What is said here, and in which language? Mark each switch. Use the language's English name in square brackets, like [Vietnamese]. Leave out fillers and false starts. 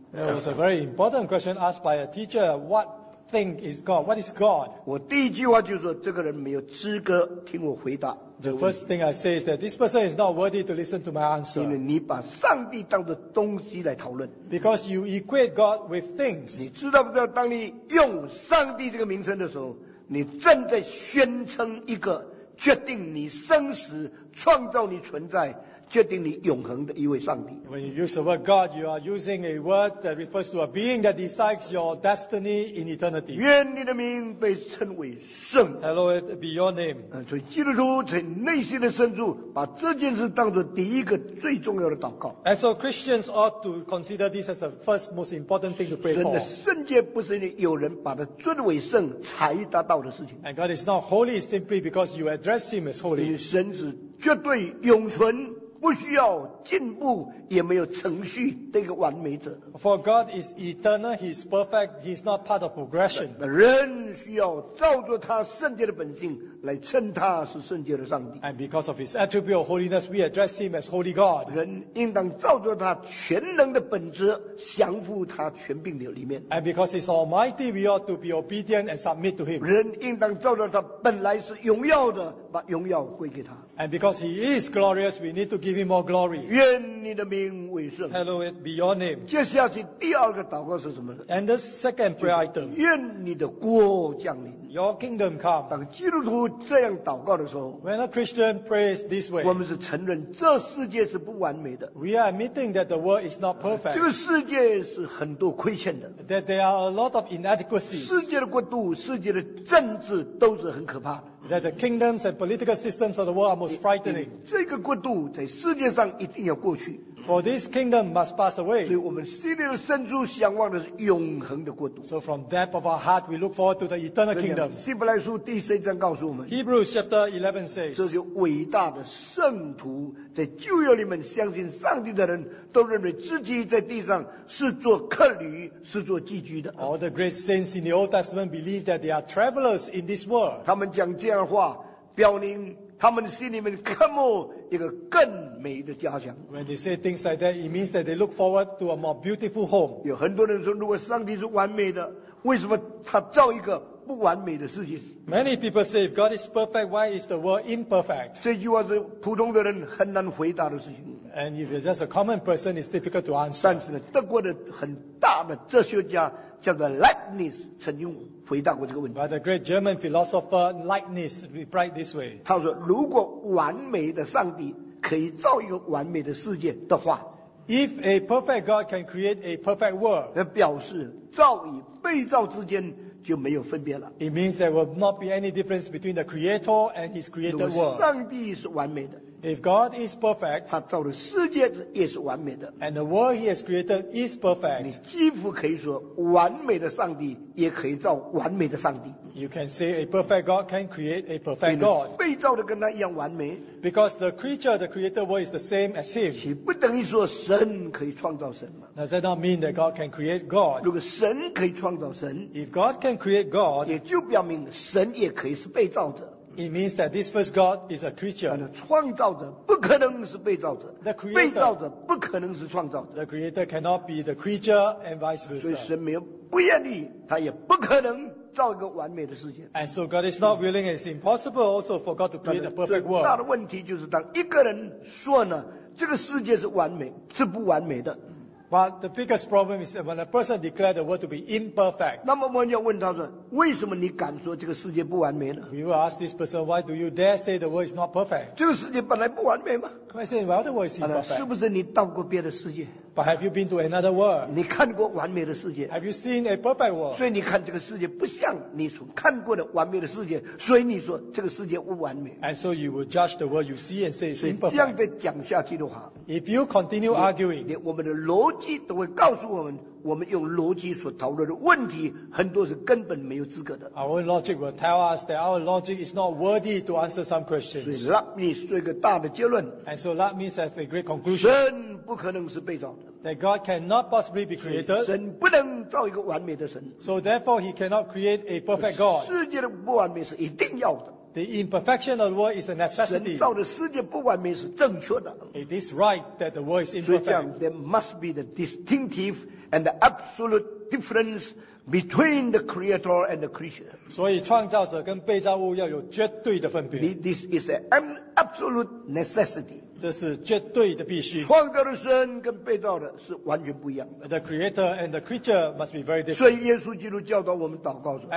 [English] There was a very important question asked by a teacher, whatThing is God. What is God? [Chinese] 我第一句话就是说，这个人没有资格听我回答。 [English] The first thing I say is that this person is not worthy to listen to my answer. [Chinese] 因为你把上帝当作东西来讨论。 [English] Because you equate God with things. [Chinese] 你知道不知道，当你用上帝这个名称的时候，你正在宣称一个决定你生死、创造你存在。决定你永恒的一位上帝。 [English] When you use the word God, you are using a word that refers to a being that decides your destiny in eternity. [Chinese] 愿你的名被称为圣。 [English] Hallowed be your name. [Chinese] 所以基督徒在内心的深处把这件事当作第一个最重要的祷告。 [English] And so Christians ought to consider this as the first most important thing to pray for. [Chinese] 神的圣洁不是你有人把它尊为圣才达到的事情。 [English] And God is not holy simply because you address him as holy. [Chinese] 因为神是绝对永存。不需要进步，也没有程序的一个完美者。 [English] For God is eternal, He is perfect, He is not part of progression. [Chinese] 人需要照着他圣洁的本性来称他是圣洁的上帝。 [English] And because of His attribute of holiness, we address Him as Holy God. [Chinese] 人应当照着他全能的本质，降服他权柄的里面。 [English] And because He's Almighty, we ought to be obedient and submit to Him. [Chinese] 人应当照着他本来是荣耀的，把荣耀归给他。 [English] And because He is glorious, we need to give Him more glory. [Chinese] 愿你的名为圣。 [English] Hallowed be your name. [Chinese] 接下去第二个祷告是什么呢？ [English] And the second prayer item. [Chinese] 愿你的国降临。 [English] Your kingdom come. [Chinese] 当基督徒这样祷告的时候， [English] When a Christian prays this way, [Chinese] 我们是承认这世界是不完美的。 [English] We are admitting that the world is not perfect. [Chinese] 这个世界是很多亏欠的。 [English] That there are a lot of inadequacies. [Chinese] 世界的国度、世界的政治都是很可怕的。 [English] That the kingdoms and political systems of the world are most frightening. [Chinese] 这个国度在世界上一定要过去。 [English] For this kingdom must pass away. [Chinese] 所以我们心里的深处向往的是永恒的国度。 [English] So from depth of our heart, we look forward to the eternal kingdom. [Chinese] 希伯来书第十一章告诉我们。 [English] Hebrews chapter 11 says. [Chinese] 这些伟大的圣徒在旧约里面相信上帝的人，都认为自己在地上是做客旅，是做寄居的。 [English] All the great saints in the Old Testament believe that they are travelers in this world. [Chinese] 他们讲这样的话，表明他们心里面渴慕一个更美的家乡。 [English] When they say things like that, it means that they look forward to a more beautiful home. [Chinese] 有很多人说，如果上帝是完美的，为什么他造一个不完美的世界？ [English] Many people say, if God is perfect, why is the world imperfect? [Chinese] 这句话是普通的人很难回答的事情。 [English] And if you're just a common person, it's difficult to answer. [Chinese] 但是呢，德国的很大的哲学家叫做 Leibniz 曾经回答过这个问题。 [English] But the great German philosopher Leibniz replied this way. [Chinese] 他说，如果完美的上帝可以造一个完美的世界的话， [English] If a perfect God can create a perfect world, [Chinese] 那表示造与被造之间就没有分别了。 [English] It means there will not be any difference between the creator and his created world. [Chinese] 上帝是完美的。 [English] If God is perfect, [Chinese] 他造的世界也是完美的。 [English] And the world he has created is perfect. [Chinese] 你几乎可以说完美的上帝也可以造完美的上帝。 [English] You can say a perfect God can create a perfect God. [Chinese] 被造的跟他一样完美。 [English] Because the creature, the creator world is the same as him. [Chinese] 岂不等于说神可以创造神吗？ [English] Does that not mean that God can create God? [Chinese] 如果神可以创造神， [English] If God can create God, [Chinese] 也就表明神也可以是被造者。 [English] It means that this first God is a creature. [Chinese] 创造者不可能是被造者。 [English] The creator, [Chinese] 被造者不可能是创造者。 [English] The creator cannot be the creature and vice versa. [Chinese] 所以神没有不愿意，他也不可能造一个完美的世界。 [English] And so God is not willing, it's impossible also for God to create a perfect world. [Chinese] 最大的问题就是当一个人说呢，这个世界是完美，是不完美的。 [English] But the biggest problem is that when a person declares the world to be imperfect. [Chinese] 那么我们要问他说，为什么你敢说这个世界不完美呢？ [English] We will ask this person, why do you dare say the world is not perfect? [Chinese] 这个世界本来不完美吗？ [English] Question, why the world is imperfect? [Chinese] 是不是你到过别的世界？ [English] But have you been to another world? [Chinese] 你看过完美的世界？ [English] Have you seen a perfect world? [Chinese] 所以你看这个世界不像你所看过的完美的世界，所以你说这个世界不完美。 [English] And so you will judge the world you see and say it's imperfect. [Chinese] 这样再讲下去的话， [English] If you continue arguing, [Chinese] 连我们的逻辑都会告诉我们，我们用逻辑所讨论的问题很多是根本没有资格的。 [English] Our logic will tell us that our logic is not worthy to answer some questions. [Chinese] 所以 Leibniz 做一个大的结论。 [English] And so Leibniz has a great conclusion. [Chinese] 神不可能是被造的。 [English] That God cannot possibly be created. [Chinese] 神不能造一个完美的神。 [English] So therefore he cannot create a perfect God. [Chinese] 世界的不完美是一定要的。 [English] The imperfection of the world is a necessity. [Chinese] 神造的世界不完美是正确的。 [English] It is right that the world is imperfect. [Chinese] 所以这样 [English] there must be the distinctive and the absolute difference between the creator and the creature. [Chinese] 所以创造者跟被造物要有绝对的分别。 [English] This is an absolute necessity. [Chinese] 这是绝对的必须。创造的神跟被造的是完全不一样的。 [English] The creator and the creature must be very different. [Chinese] 所以耶稣基督教导我们祷告说，